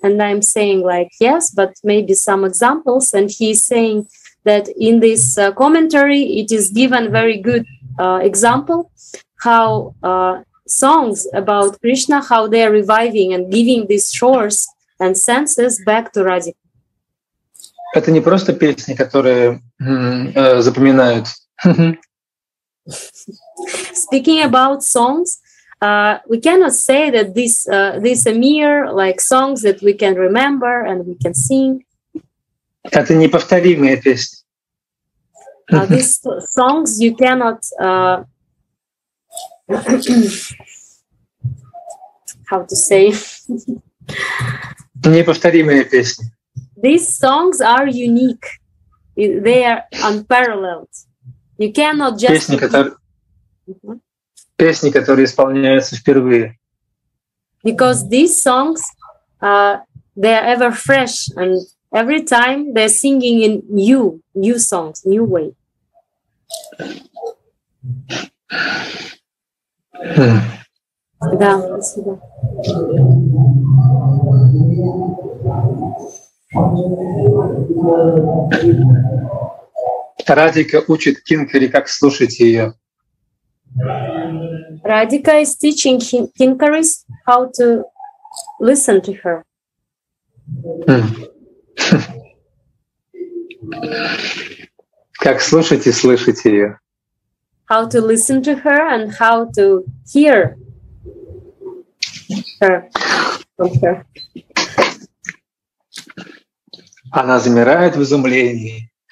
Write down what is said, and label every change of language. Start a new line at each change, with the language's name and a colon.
English: And I'm saying like yes, but maybe some examples. And he's saying that in this commentary it is given very good example how songs about Krishna, how they are reviving and giving these shores and senses back to Radhika.
Russian: Это не просто песни, которые запоминают.
English: Speaking about songs, we cannot say that this a mere like songs that we can remember and we can sing.
Russian: Это неповторимые песни.
English: These songs you cannot how to say?
Russian: Неповторимые песни.
English: These songs are unique. They are unparalleled. You cannot just
Russian: Песни, которые исполняются впервые.
English: Because these songs, they are ever fresh, and every time they're singing in new songs, new way.
Russian: Да, спасибо. Радика учит Кинкари, как слушать ее.
English: Radhika is teaching Kinkari how to listen to her.
Russian: Как слушать и слышать ее.
English: How to listen to her and how to hear her.
Russian: Она замирает в изумлении.